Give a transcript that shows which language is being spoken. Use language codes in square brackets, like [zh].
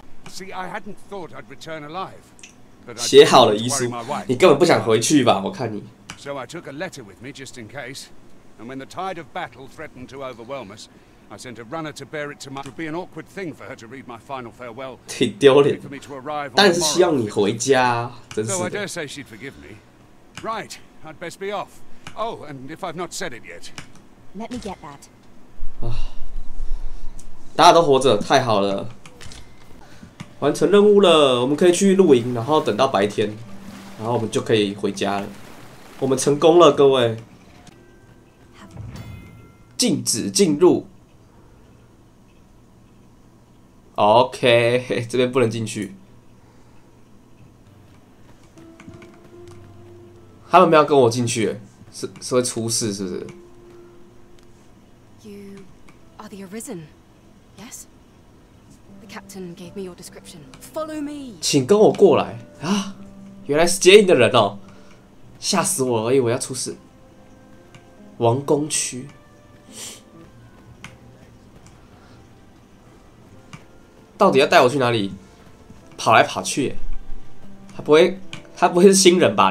[en] See, I hadn't thought I'd return alive. [zh] 写好了遗书，你根本不想回去吧？我看你。 [en] So I took a letter with me just in case, and when the tide of battle threatened to overwhelm us, I sent a runner to bear it to my. It would be an awkward thing for her to read my final farewell. [zh] 挺丢脸。但是希望你回家，真是的。 [en] So I dare say she'd forgive me. Right, I'd best be off. Oh, and if I've not said it yet, let me get that. [zh] 大家都活着，太好了！完成任务了，我们可以去露营，然后等到白天，然后我们就可以回家了。我们成功了，各位！禁止进入。 OK， 这边不能进去。他们没有跟我进去。是会出事，是不是 ？ [en] You are the Arisen, yes. The captain gave me your description. Follow me. [zh] 请跟我过来啊！原来是接应的人哦，吓死我了，以为要出事。王宫区。到底要带我去哪里？跑来跑去，他不会是新人吧？